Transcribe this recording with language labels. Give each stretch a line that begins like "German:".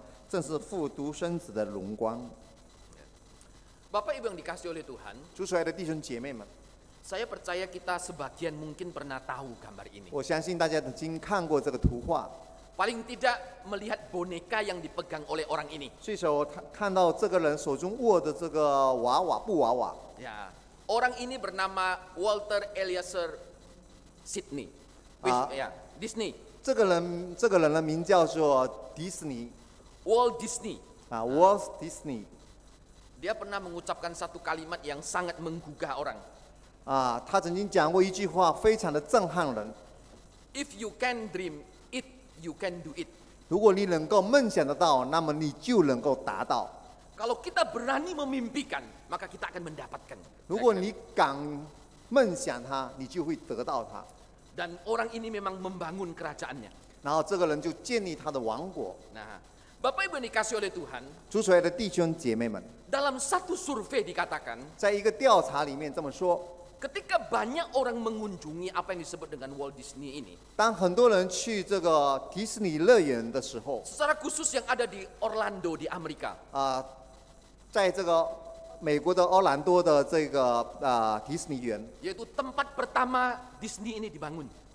Chinese: 道成的肉身住在我们中间，充充满满的有恩典，有真理。我们也见过他的荣光，正是父独生子的荣光。
Indonesian: Bapak Ibu yang dikasihi oleh Tuhan,
Chinese: 主所爱的弟兄姐妹们，
Indonesian: saya percaya kita sebagian mungkin pernah tahu gambar ini.
Chinese: 我相信大家已经看过这个图画。
Indonesian: Paling tidak melihat boneka yang dipegang oleh orang ini.
Chinese: 最少看到这个人手中握的这个娃娃布娃娃。
Indonesian: Ya, orang ini bernama Walter Eliezer Sydney, Disney.
Chinese: 这个人的名叫做迪士尼。
Indonesian: Walt Disney.
Chinese: Walt Disney.
Indonesian: Dia pernah mengucapkan satu kalimat yang sangat menggugah orang.
Chinese: 他曾经讲过一句话，非常的震撼人。
English: If you can dream it, you can do it.
Chinese: 如果你能够梦想得到，那么你就能够达到。
Indonesian: Kalau kita berani memimpikan, maka kita akan mendapatkan.
Chinese: 如果你敢梦想它，你就会得到它。
Indonesian: Dan orang ini memang membangun kerajaannya.
Chinese: 然后这个人就建立他的王国。
Indonesian: Nah, Bapak Ibu dikasihi oleh Tuhan.
Chinese: 主所爱的弟兄姐妹们。
Indonesian: Dalam satu survei dikatakan.
Chinese: 在一个调查里面这么说。
Indonesian: Ketika banyak orang mengunjungi apa yang disebut dengan Walt Disney ini.
Chinese: 当很多人去这个迪士尼乐园的时候。
Indonesian: Secara khusus yang ada di Orlando di Amerika.
Chinese: 在这个。美国的奥兰多的这个迪士尼园，
Indonesian: yaitu tempat pertama Disney ini dibangun.